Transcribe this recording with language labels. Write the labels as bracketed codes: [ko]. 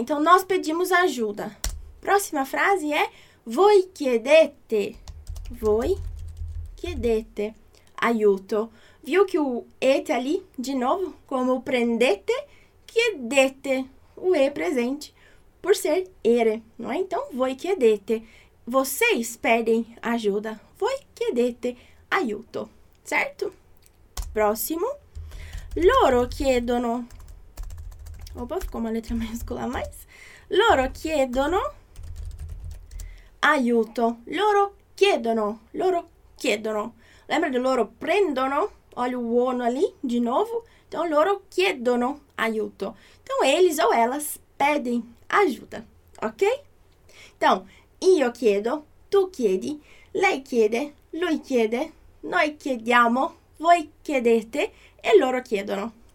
[pt] Então, nós pedimos ajuda. Próxima frase é [it] voi chiedete. Voi chiedete aiuto. [pt] Viu que o ete ali, de novo, como prendete, chiedete, o e presente, por ser ere, não é? Então, [it] voi chiedete. [pt] Vocês pedem ajuda. [it] Voi chiedete aiuto, certo? [pt] Próximo. [it] Loro chiedono. [pt] Opa, ficou uma letra maiúscula a mais. [it] Loro chiedono aiuto. Loro chiedono. Loro chiedono. [pt] Lembra di [it] loro prendono? [pt] Olha o uono ali, de novo. Então, [it] loro chiedono aiuto. [pt] Então, eles ou elas pedem ajuda, ok? Então, [it] io chiedo, tu chiedi, lei chiede, lui chiede, noi chiediamo, voi chiedete e loro chiedono.